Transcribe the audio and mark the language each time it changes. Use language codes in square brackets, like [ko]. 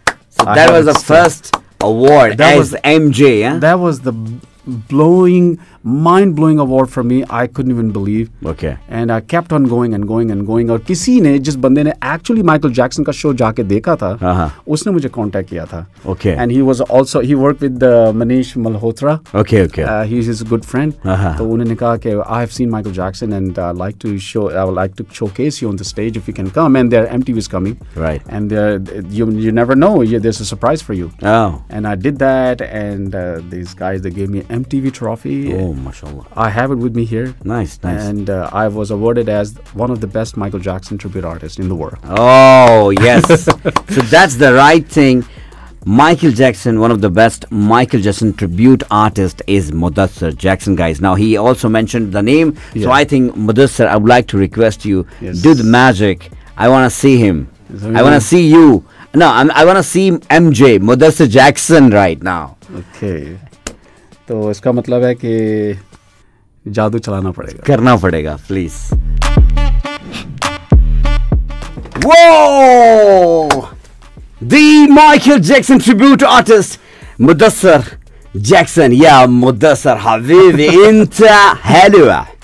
[en] So that was the first award as MJ. Yeah? That was the mind-blowing award for me. I couldn't even believe. Okay. And I kept on going and going and going. [hi] And किसी ने जिस बंदे ने actually Michael Jackson का show जाके देखा था, उसने मुझे contact किया था. [en] Okay. And he was also he worked with Manish Malhotra. Okay, okay. He's his good friend. Uh-huh. [hi] तो उन्होंने कहा कि [en] I have seen Michael Jackson and I would like to showcase you on the stage if you can come. And there MTV is coming. Right. And you never know. Yeah, there's a surprise for you. Oh. And I did that and these guys they gave me MTV trophy. Oh, mashallah. I have it with me here. Nice, nice. And I was awarded as one of the best Michael Jackson tribute artists in the world. Oh, yes. So that's the right thing. Michael Jackson, one of the best Michael Jackson tribute artists is Mudassar Jackson, guys. Now, he also mentioned the name. Yes. So I think, Mudassar, I would like to request you, yes. Do the magic. I want to see him. I want to see you. No, I want to see MJ, Mudassar Jackson right now. Okay. [hi] तो इसका मतलब है कि जादू चलाना पड़ेगा करना पड़ेगा प्लीज. वो the Michael Jackson tribute artist Mudassar Jackson या मुदस्सर हबीब इंटा हेलुआ.